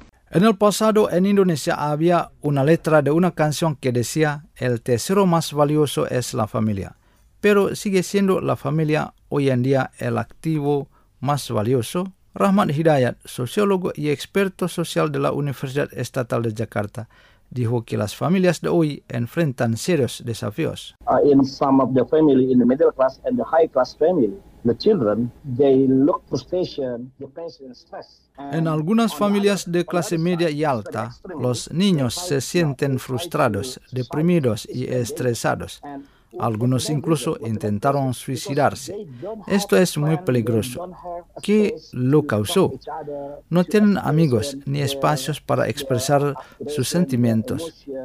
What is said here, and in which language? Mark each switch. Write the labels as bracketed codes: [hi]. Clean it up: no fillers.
[es] En el pasado, en Indonesia había una letra de una canción que decía: el tesoro más valioso es la familia. Pero sigue siendo la familia hoy en día el activo más valioso. Rahmat Hidayat, sociólogo y experto social de la Universidad Estatal de Jakarta, dijo que las familias de hoy enfrentan serios desafíos. [en] In some of the family, in the middle class and the high class family, the children, they look frustration, depression, and stress. [es] En algunas familias de clase media y alta, los niños se sienten frustrados, deprimidos y estresados. Algunos incluso intentaron suicidarse. Esto es muy peligroso. ¿Qué lo causó? No tienen amigos ni espacios para expresar sus sentimientos.